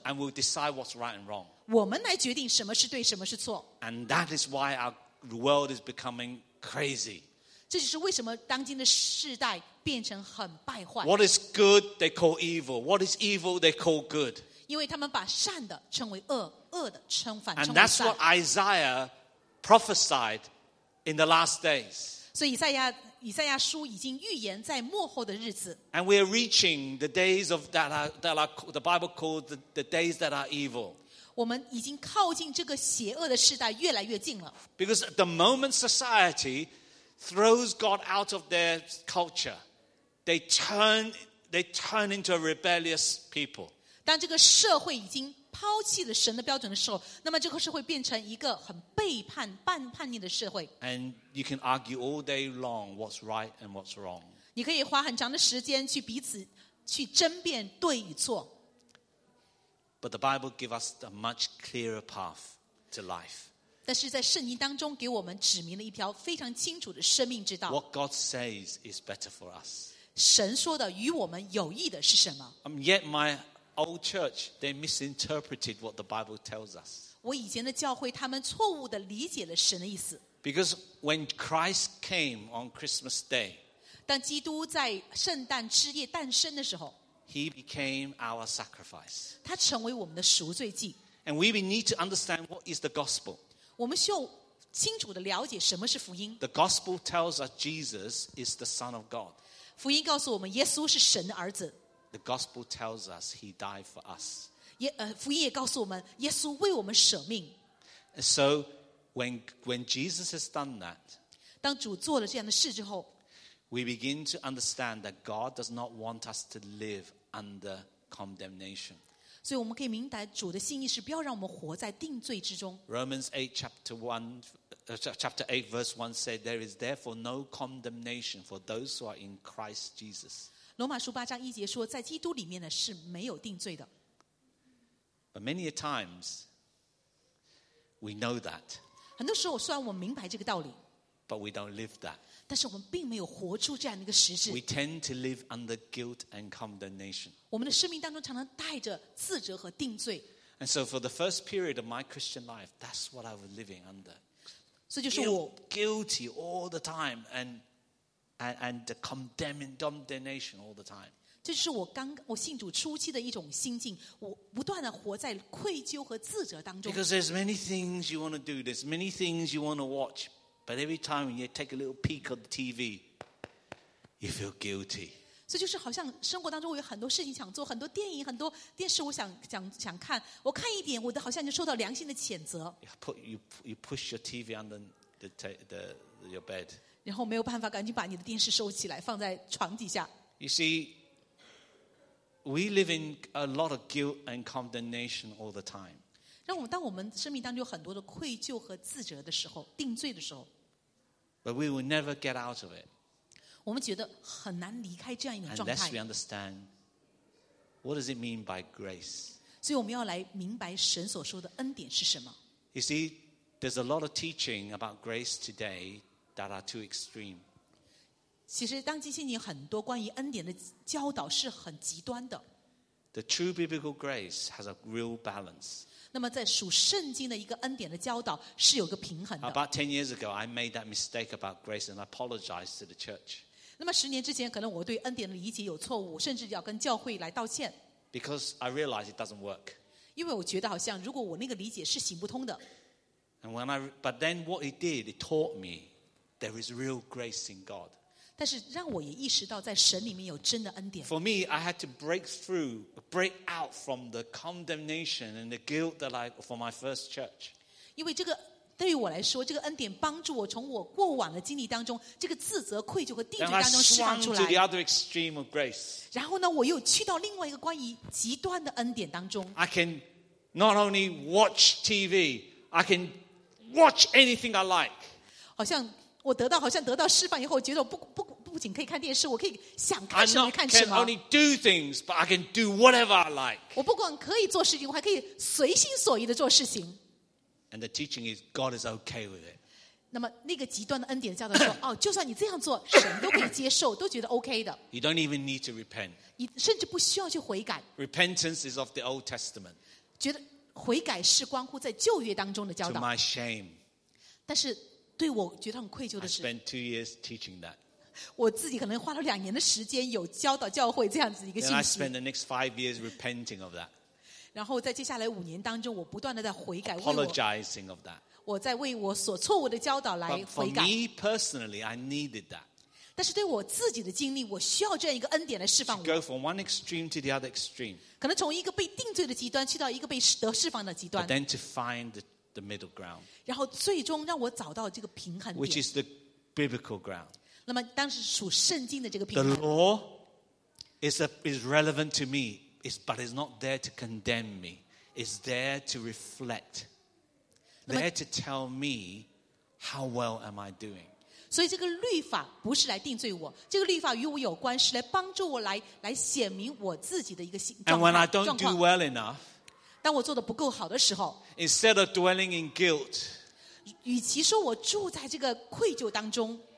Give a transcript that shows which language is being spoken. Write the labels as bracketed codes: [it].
[en] And will decide what's right and wrong. [zh] 我们来决定什么是对，什么是错。 [en] And that is why our world is becoming crazy. [zh] 这就是为什么当今的世代变成很败坏。 [en] What is good, they call evil. What is evil, they call good. [zh] 因为他们把善的称为恶，恶的称反。 [en] And that's what Isaiah prophesied in the last days. [zh] 所以以赛亚书已经预言在末后的日子。 [en] And we are reaching the days of that are the Bible called the days that are evil. [zh] 我们已经靠近这个邪恶的时代越来越近了。 [en] Because the moment society throws God out of their culture, they turn into a rebellious people. [zh] 当这个社会已经抛弃了神的标准的时候，那么这个社会变成一个很背叛、半叛逆的社会。 [en] And you can argue all day long what's right and what's wrong. [zh] 你可以花很长的时间去彼此去争辩对与错。 [en] But the Bible gives us a much clearer path to life. [zh] 但是在圣经当中给我们指明了一条非常清楚的生命之道。 [en] What God says is better for us. [zh] 神说的与我们有益的是什么？ [en] Yet my old church, they misinterpreted what the Bible tells us. [zh] 我以前的教会，他们错误地理解了神的意思。 [en] Because when Christ came on Christmas Day, [zh] 当基督在圣诞之夜诞生的时候， [en] He became our sacrifice. [zh] 他成为我们的赎罪祭。 [en] And we need to understand what is the gospel. [zh] 我们需要清楚地了解什么是福音。 [en] The gospel tells us Jesus is the Son of God. [zh] 福音告诉我们，耶稣是神的儿子。 [en] The gospel tells us he died for us. [zh] 福音也告诉我们，耶稣为我们舍命。 [en] So when Jesus has done that, [zh] 当主做了这样的事之后， [en] we begin to understand that God does not want us to live under condemnation. [zh] 所以我们可以明白主的心意是不要让我们活在定罪之中。 [en] Romans 8 chapter 8 verse 1 said, there is therefore no condemnation for those who are in Christ Jesus. [zh] 罗马书八章一节说，在基督里面呢是没有定罪的。 [en] But many a times we know that. [zh] 很多时候，虽然我们明白这个道理 [en] ，but we don't live that. [zh] 但是我们并没有活出这样的一个实质。 [en] We tend to live under guilt and condemnation. [zh] 我们的生命当中常常带着自责和定罪。 [en] And so for the first period of my Christian life, that's what I was living under. [zh] 所以就是我 [en] guilty all the time and the condemnation all the time. [zh] 这是我信主初期的一种心境，我不断地活在愧疚和自责当中。 [en] Because there's many things you want to do, there's many things you want to watch, but every time you take a little peek of the TV, you feel guilty. [zh] 所以就是好像生活当中我有很多事情想做，很多电影、很多电视我想看，我看一点，我的好像就受到良心的谴责。 [en] You push your TV under your bed. [zh] 然后没有办法，赶紧把你的电视收起来，放在床底下。 [en] You see, we live in a lot of guilt and condemnation all the time. [zh] 当我们生命当中有很多的愧疚和自责的时候，定罪的时候。 [en] But we will never get out of it. [zh] 我们觉得很难离开这样一种状态。 [en] Unless we understand what does it mean by grace. [zh] 所以我们要来明白神所说的恩典是什么。 [en] You see, there's a lot of teaching about grace today. That are too extreme. [zh] 其实当今现今很多关于恩典的教导是很极端的。 [en] The true biblical grace has a real balance. [zh] 那么在属圣经的一个恩典的教导是有个平衡的。 [en] About 10 years ago, I made that mistake about grace and apologized to the church. [zh] 那么十年之前，可能我对恩典的理解有错误，甚至要跟教会来道歉。 [en] Because I realized it doesn't work. [zh] 因为我觉得好像如果我那个理解是行不通的。 [en] But then what it did, it taught me. There is real grace in God. [zh] 但是让我也意识到，在神里面有真的恩典。 [en] For me, I had to break out from the condemnation and the guilt that I for my first church. [zh] 因为这个对于我来说，这个恩典帮助我从我过往的经历当中，这个自责、愧疚和定罪当中释放出来。 [en] And I swung to the other extreme of grace. [zh] 然后呢，我又去到另外一个关于极端的恩典当中。 [en] I can not only watch TV, I can watch anything I like. [zh] 好像。我得到好像得到释放以后，觉得不仅可以看电视，我可以想看什么看什么。 [en] I can only do things, but I can do whatever I like. [zh] 我不管可以做事情，我还可以随心所欲的做事情。 [en] And the teaching is God is okay with it. [zh] 那么那个极端的恩典的教导说、哦、就算你这样做神都可以接受都觉得 OK 的 [en] You don't even need to repent [zh] 你甚至不需要去悔改 [en] Repentance is of the Old Testament [zh] 觉得悔改是关乎在旧约当中的教导 [en] To my shame [zh] 但是对我觉得很愧疚的是 [en] I spent 2 years teaching that [zh] 我自己可能花了2年的时间有教导教会这样子一个信息 [en] Then I spent the next 5 years repenting of that [zh] 然后在接下来5年当中我不断地在悔改 [en] Apologizing of that [zh] 我在为我所错误的教导来悔改。 [en] But for me personally, I needed that. [zh] 但是对我自己的经历，我需要这样一个恩典来释放我。 [en] To go from one extreme to the other extreme. [zh] 可能从一个被定罪的极端去到一个被得释放的极端。 [en] But then to find the middle ground. [zh] 然后最终让我找到这个平衡点。 [en] Which is the biblical ground. [zh] 那么当时属圣经的这个平衡。 [en] The law is relevant to me, but it's not there to condemn me. It's there to reflect. There to tell me how well am I doing. [zh] 所以这个律法不是来定罪我，这个律法与我有关，是来帮助我来显明我自己的一个心。 [en] And when I don't do well enough, [zh] 当我做的不够好的时候 [en] ，instead of dwelling in guilt, [zh] 与其说我住在这个愧疚当中